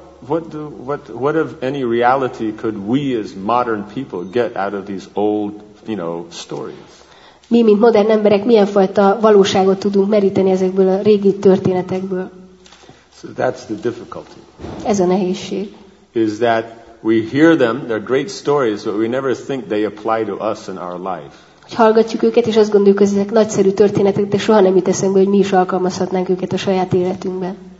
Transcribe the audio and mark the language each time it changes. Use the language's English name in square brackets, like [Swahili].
[English] And so what of any reality could we as modern people get out of these old, you know, stories? [Hungarian] Mi, mint modern emberek, milyen fajta valóságot tudunk meríteni ezekből a régi történetekből? [English] So that's the difficulty. [Hungarian] Ez a nehézség. [English] Is that we hear them, they're great stories, but we never think they apply to us in our life. [Hungarian] Hallgatjuk őket, és azt gondoljuk, hogy ezek nagyszerű történetek, de soha nem jut eszembe, hogy mi is alkalmazhatnánk őket a saját életünkben.